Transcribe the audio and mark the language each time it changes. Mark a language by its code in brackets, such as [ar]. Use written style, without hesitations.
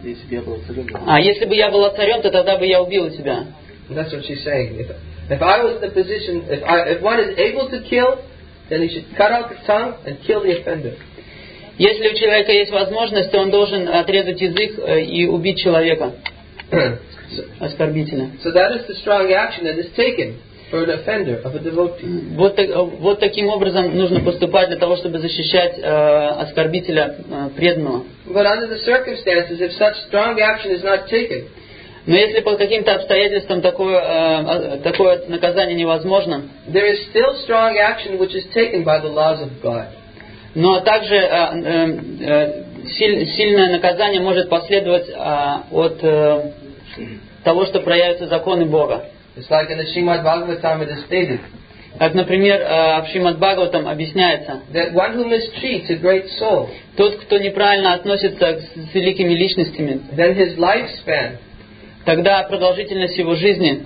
[ru] Если бы я была царем, то тогда бы я убила тебя. [en] That's what she's saying. If I was in the position, if one is able to kill, then he should cut out the tongue and kill the offender. [ru] Если у человека есть возможность, то он должен отрезать язык и убить человека. Оскорбительно. [en] So that is the strong action that is taken for an offender of a devotee. [ru] Вот таким образом нужно поступать для того, чтобы защищать оскорбителя преданного. [en] But under the circumstances, if such strong action is not taken, [ru] но если по каким-то обстоятельствам такое наказание невозможно, [en] there is still strong action which is taken by the laws of God. [ru] Но также сильное наказание может последовать от того, что проявятся законы Бога. [en] It's like in the Shrimad Bhagavatam it is stated. [ru] Как, например, в Шримад Бхагаватам объясняется, [en] that one who mistreats a great soul, [ru] тот, кто неправильно относится с великими личностями, [en] then his lifespan, [ru] тогда продолжительность его жизни,